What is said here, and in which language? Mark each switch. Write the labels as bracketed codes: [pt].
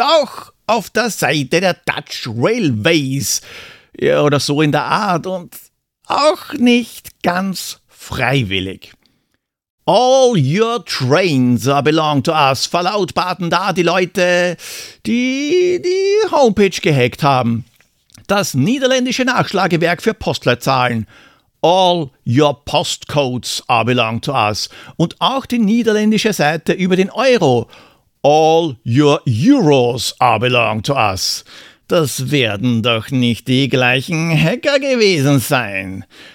[de] Auch auf der Seite der Dutch Railways ja, oder so in der Art und auch nicht ganz freiwillig. [en] All your trains are belong to us [de] verlautbarten da die Leute, die die Homepage gehackt haben. Das niederländische Nachschlagewerk für Postleitzahlen. [en] All your postcodes are belong to us. [de] Und auch die niederländische Seite über den Euro. [en] All your euros are belong to us. [de] Das werden doch nicht die gleichen Hacker gewesen sein.